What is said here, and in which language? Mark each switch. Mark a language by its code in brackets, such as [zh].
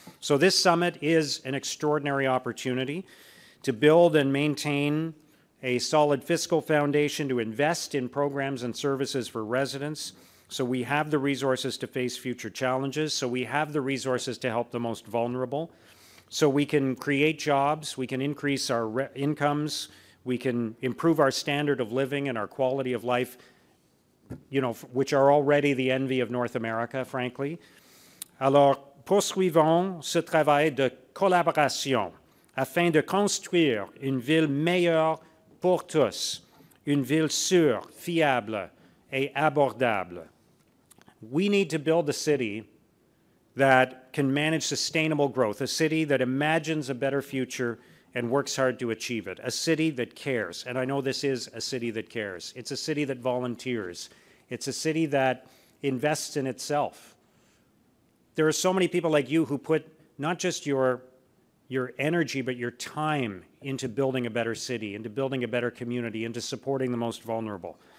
[en] So this summit is an extraordinary opportunity to build and maintain a solid fiscal foundation, to invest in programs and services for residents, so we have the resources to face future challenges, so we have the resources to help the most vulnerable, so we can create jobs, we can increase our incomes, we can improve our standard of living and our quality of life, you know, which are already the envy of North America, frankly. [fr] Alors, poursuivons ce travail de collaboration afin de construire une ville meilleure pour tous, une ville sûre, fiable et abordable. [en] We need to build a city that can manage sustainable growth, a city that imagines a better future and works hard to achieve it, a city that cares. And I know this is a city that cares. It's a city that volunteers. It's a city that invests in itself. There are so many people like you who put not just your energy, but your time into building a better city, into building a better community, into supporting the most vulnerable.